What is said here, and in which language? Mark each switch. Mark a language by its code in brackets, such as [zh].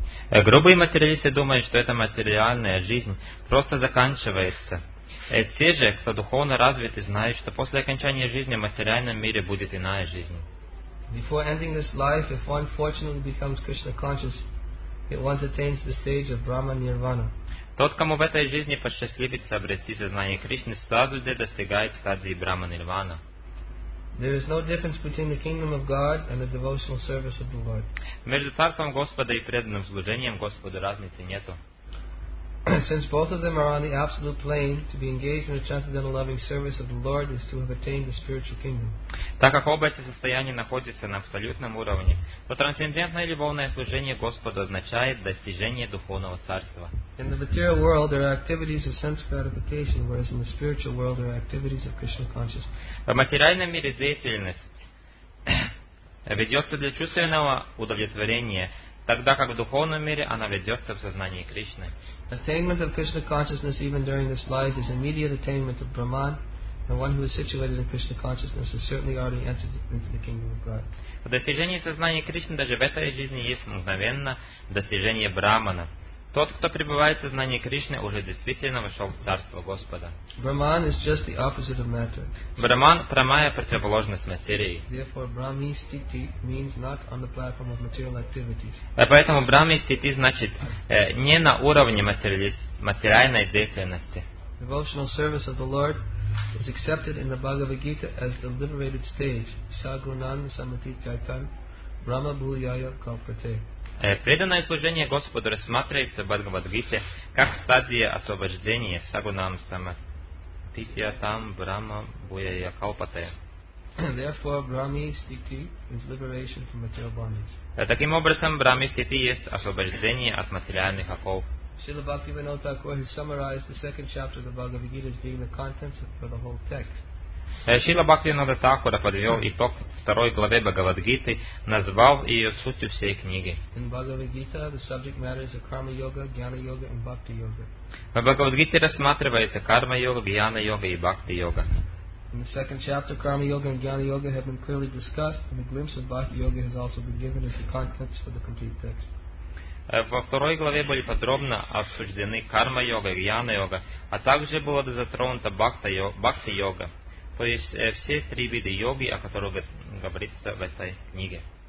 [ru] Грубые материалисты думают, что эта материальная жизнь просто заканчивается. Те же, кто духовно развит, знают, что после окончания жизни в материальном мире будет иная жизнь. [en] Before ending this life, if one fortunately becomes Krishna conscious, it once attains the stage of Brahma Nirvana. [ru] Тот, кому в этой жизни посчастливится обрести сознание Кришны, сразу же достигает стадии Брахма Нирвана. [en] There is no difference between the kingdom of God and the devotional service of the Lord. [ru] Между царством Господа и преданным служением Господу разницы нету. [en] Since both of them are on the absolute plane, to be engaged in the transcendental loving service of the Lord is to have attained the spiritual kingdom. [ru] Так как оба эти состояния находятся на абсолютном уровне, то трансцендентное любовное служение Господу означает достижение духовного царства. [en] In the material world, there are activities of sense gratification, whereas in the spiritual world, there are activities of Krishna consciousness. [ru] В материальном мире деятельность ведется для чувственного удовлетворения, тогда как в духовном мире она ведется в сознании Кришны. [en] Attainment of Krishna consciousness even during this life is immediate attainment of Brahman, and one who is situated in Krishna consciousness has certainly already entered into the kingdom of God. [ru] В достижении сознания Кришны даже в этой жизни есть мгновенно достижение Брахмана. Тот, кто пребывает в сознании Кришны, уже действительно вошел в Царство Господа. [en] Brahman is just the opposite of matter. [ru] Brahman – прямая противоположность материи. [en] Therefore, Brahmi-sthiti means not on the platform of material activities. [ru] Поэтому Брахми-sthiti значит не на уровне материальной деятельности. [en] Devotional service of the Lord is accepted in the Bhagavad Gita as the liberated stage. [sa] Sagunan samati chaitan Brahma bhuyaya kalpate. [ru] Преданное служение Господу рассматривается в Бхагавад-гите как стадия освобождения [sa] сагунам саматтитья там брама буяя калпатая. [en] Therefore, Брахми-sthiti is liberation from material bondage. [ru] Таким образом, Брахми-sthiti есть освобождение от материальных оков. [en] Srila Bhaktivinoda Thakur has summarized the second chapter of the Bhagavad-gita as being the contents for the whole text. [ru] Шрила Бхактивинода Такура подвел итог второй главе Бхагавад-гиты, назвав ее сутью всей книги. В Бхагавад-гите рассматривается карма-йога, гьяна-йога и бхакти-йога. [en] In the second chapter, karma-yoga and gyana-yoga have been clearly discussed, and a glimpse of bhakti-yoga has also been given as the contents for the complete text. [ru] Во второй главе были подробно обсуждены карма-йога, гьяна-йога, а также была затронута бхакти-йога, то есть все три вида йоги, о которых говорится в этой книге.